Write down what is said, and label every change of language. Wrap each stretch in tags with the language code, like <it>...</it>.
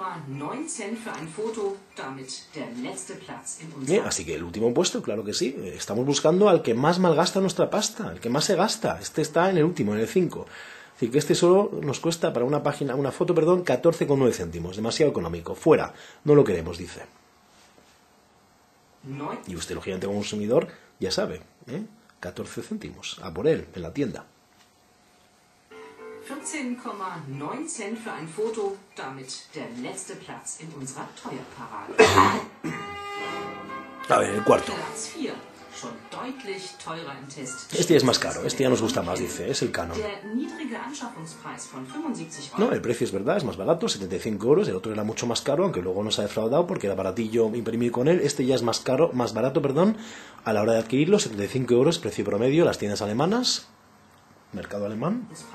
<de>15,9 cents für ein Foto, damit der letzte Platz.</de> <es>Así que el último puesto, claro que sí. Estamos buscando al que más malgasta nuestra pasta, el que más se gasta. Este está en el último, en el 5. Así que este solo nos cuesta para una página, una foto, perdón, 14,9 céntimos. Demasiado económico. Fuera, no lo queremos, dice. Y usted, lógicamente, como consumidor, ya sabe, 14 céntimos. A por él, en la tienda.</es> <de>15,9 cent für ein Foto, damit der letzte Platz in unserer Teuerparade.</de> <es>A ver, el cuarto.</es> <de>Platz 4, schon deutlich teurer im Test.</de> <es>Este es más caro, este ya nos gusta más, dice, es el Canon.</es> <de>Der niedrige Anschaffungspreis von 75</de> <es>Euro. No, el precio es verdad, es más barato, 75 euros, el otro era mucho más caro, aunque luego nos ha defraudado porque era baratillo imprimir con él. Este ya es más caro, más barato, perdón, a la hora de adquirirlo, 75 euros, precio promedio, las tiendas alemanas. Mercado alemán.</es>